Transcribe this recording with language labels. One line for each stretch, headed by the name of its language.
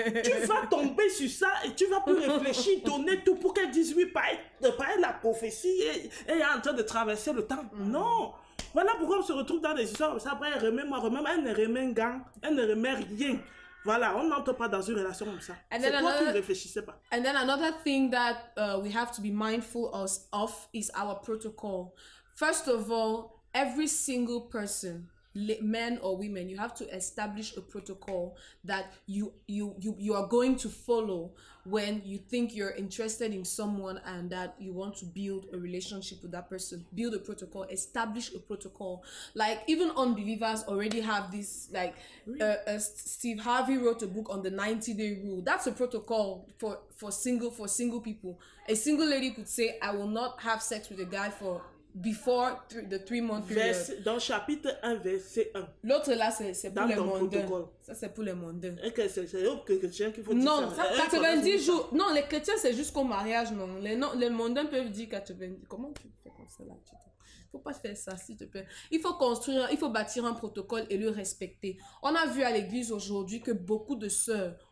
French: Tu vas tomber sur ça et tu vas plus réfléchir, donner tout pour qu'elles disent oui, pas être la prophétie et en train de traverser le temps. Mm. Non! Voilà pourquoi on se retrouve dans des histoires. Après, elle remet, elle ne remet gang, elle ne remet rien. Voilà, on n'entre pas dans une relation comme ça. C'est toi qui ne réfléchissais pas.
English: And then another thing that we have to be mindful of is our protocol. First of all, every single person, men or women, you have to establish a protocol that you are going to follow when you think you're interested in someone and that you want to build a relationship with that person. Build a protocol, establish a protocol. Like, even unbelievers already have this, like, really? Steve Harvey wrote a book on the 90-day rule. That's a protocol for single people. A single lady could say, I will not have sex with a guy before the 3 month period.
French: Dans chapitre 1, verset 1. L'autre là, c'est pour les mondains. Ça, c'est pour les mondains. Ok, c'est chrétien qu'il faut non, dire. Non, 90 jours. Non, les chrétiens, c'est jusqu'au mariage, non. Les mondains peuvent dire 90. Comment tu fais comme ça là? Il ne faut pas faire ça, s'il te plaît. Il faut bâtir un protocole et le respecter. On a vu à l'église aujourd'hui que beaucoup de sœurs